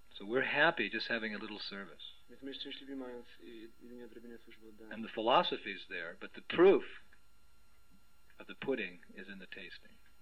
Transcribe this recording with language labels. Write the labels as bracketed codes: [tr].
[en] So we're happy just having a little service. [pl] Więc my jesteśmy szczęśliwi mając jedynie odrobinę służby oddania. [en] And the philosophy is there, but the proof of the pudding is in the tasting.